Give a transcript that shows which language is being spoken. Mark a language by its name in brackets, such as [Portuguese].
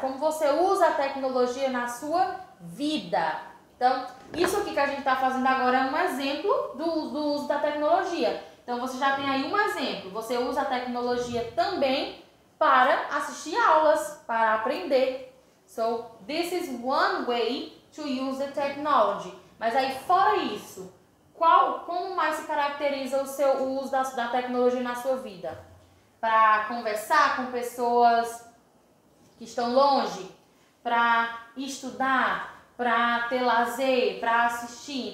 [Portuguese] Como você usa a tecnologia na sua vida? Então, isso aqui que a gente está fazendo agora é um exemplo do uso da tecnologia. Então, você já tem aí um exemplo. Você usa a tecnologia também para assistir aulas, para aprender. [English] So, this is one way to use the technology. [Portuguese] Mas aí, fora isso, como mais se caracteriza o seu uso da tecnologia na sua vida? Para conversar com pessoas que estão longe? Para estudar? Para ter lazer? Para assistir?